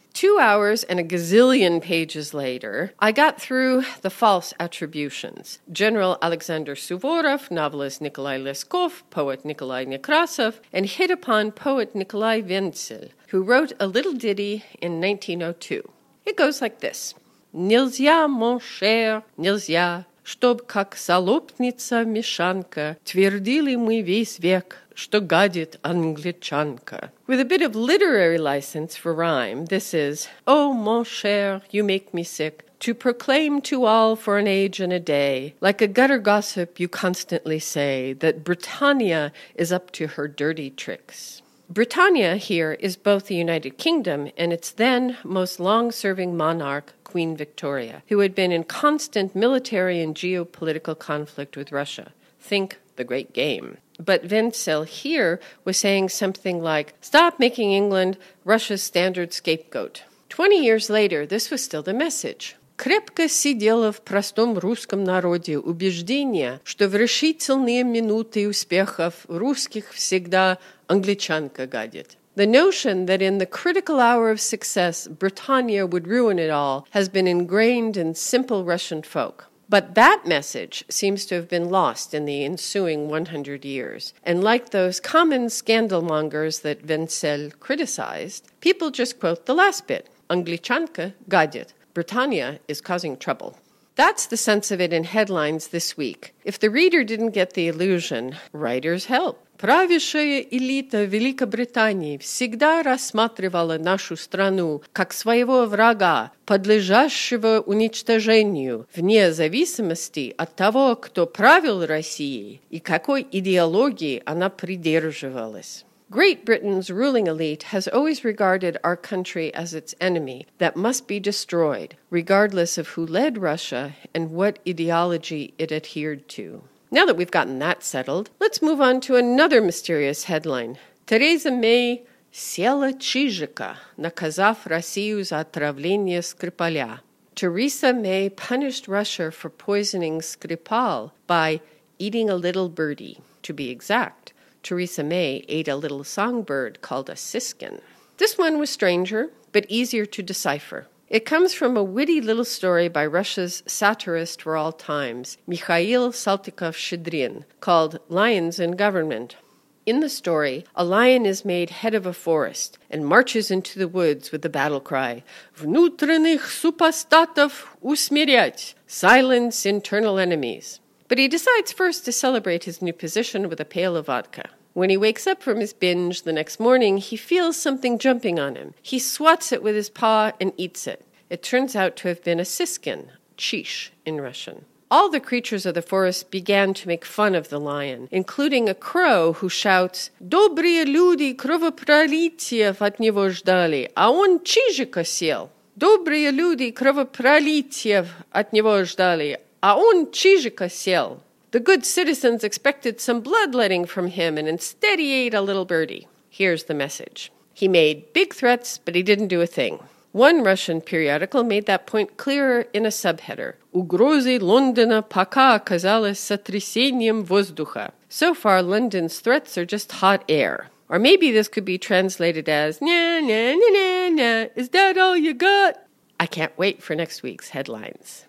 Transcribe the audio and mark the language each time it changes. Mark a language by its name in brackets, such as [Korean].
[English] 2 hours and a gazillion pages later, I got through the false attributions. General Alexander Suvorov, novelist Nikolai Leskov, poet Nikolai Nekrasov, and hit upon poet Nikolai Wenzel, who wrote a little ditty in 1902. It goes like this. [Russian] Нельзя, [French] mon cher, [Russian] нельзя, чтоб как солопница мешанка твердили мы весь век. Что гадит англичанка. [English] With a bit of literary license for rhyme, this is, Oh, [French] mon cher, [English] you make me sick, to proclaim to all for an age and a day, like a gutter gossip you constantly say, that Britannia is up to her dirty tricks. Britannia here is both the United Kingdom and its then most long-serving monarch, Queen Victoria, who had been in constant military and geopolitical conflict with Russia. Think the Great Game. But Wenzel here was saying something like, stop making England Russia's standard scapegoat. 20 years later, this was still the message. [Russian] Крепко сидело в простом русском народе убеждение, что в решительные минуты успехов русских всегда англичанка гадит. [English] The notion that in the critical hour of success, Britannia would ruin it all has been ingrained in simple Russian folk. But that message seems to have been lost in the ensuing 100 years. And like those common scandalmongers that Wenzel criticized, people just quote the last bit, [Russian] Англичанка гадит, [English] Britannia is causing trouble. That's the sense of it in headlines this week. If the reader didn't get the allusion, writers help. [Russian] Правящая элита Великобритании всегда рассматривала нашу страну как своего врага, подлежащего уничтожению, вне зависимости от того, кто правил Россией и какой идеологии она придерживалась. [English] Great Britain's ruling elite has always regarded our country as its enemy that must be destroyed, regardless of who led Russia and what ideology it adhered to. Now that we've gotten that settled, let's move on to another mysterious headline. [Russian] Theresa May села чижика, наказав Россию за отравление Скрипаля. [English] Theresa May punished Russia for poisoning Skripal by eating a little birdie. To be exact, Theresa May ate a little songbird called a siskin. This one was stranger, but easier to decipher. It comes from a witty little story by Russia's satirist for all times, Mikhail Saltykov-Shchedrin, called Lions in Government. In the story, a lion is made head of a forest and marches into the woods with the battle cry, [Russian] «Внутренних супостатов усмирять!» [English] «Silence internal enemies!» But he decides first to celebrate his new position with a pail of vodka. When he wakes up from his binge the next morning, he feels something jumping on him. He swats it with his paw and eats it. It turns out to have been a siskin, chish in Russian. All the creatures of the forest began to make fun of the lion, including a crow who shouts, [Russian] «Добрые люди кровопролитиев от него ждали, а он чижика съел!» «Добрые люди кровопролитиев от него ждали, а он чижика съел!» [English] The good citizens expected some bloodletting from him and instead he ate a little birdie. Here's the message. He made big threats, but he didn't do a thing. One Russian periodical made that point clearer in a subheader. [Russian] Угрозы Лондона пока оказались сотрясением воздуха. [English] So far, London's threats are just hot air. Or maybe this could be translated as, na na na na na, is that all you got? I can't wait for next week's headlines.